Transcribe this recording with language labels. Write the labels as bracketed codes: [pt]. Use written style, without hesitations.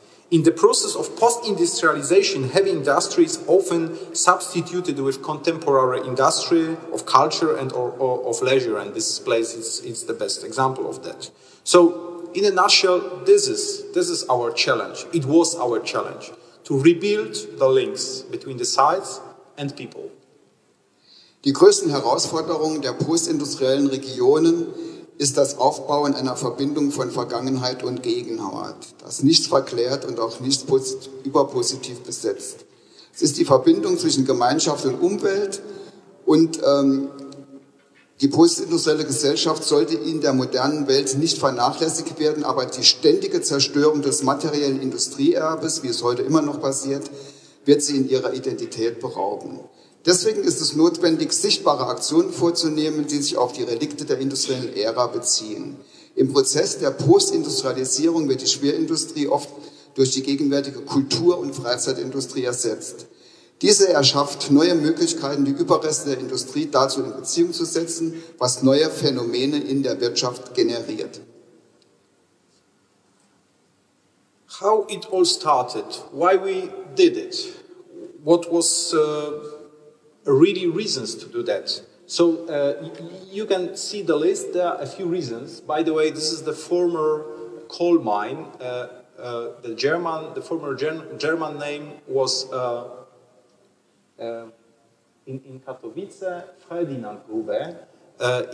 [en] In the process of post-industrialization, heavy industry is often substituted with contemporary industry of culture and or of leisure, and this place is the best example of that. So in a nutshell, this is our challenge. It was our challenge. To rebuild the links between the sites and people. [de] Die größten Herausforderungen der postindustriellen Regionen ist das Aufbauen einer Verbindung von Vergangenheit und Gegenwart, das nichts verklärt und auch nichts überpositiv besetzt. Es ist die Verbindung zwischen Gemeinschaft und Umwelt, und die postindustrielle Gesellschaft sollte in der modernen Welt nicht vernachlässigt werden, aber die ständige Zerstörung des materiellen Industrieerbes, wie es heute immer noch passiert, wird sie in ihrer Identität berauben. Deswegen ist es notwendig, sichtbare Aktionen vorzunehmen, die sich auf die Relikte der industriellen Ära beziehen. Im Prozess der Postindustrialisierung wird die Schwerindustrie oft durch die gegenwärtige Kultur- und Freizeitindustrie ersetzt. Diese erschafft neue Möglichkeiten, die Überreste der Industrie dazu in Beziehung zu setzen, was neue Phänomene in der Wirtschaft generiert. [en] How it all started, why we did it, what was really reasons to do that. So you can see the list, there are a few reasons. By the way, this is the former coal mine. The former German name was in Katowice, Ferdinandgrube.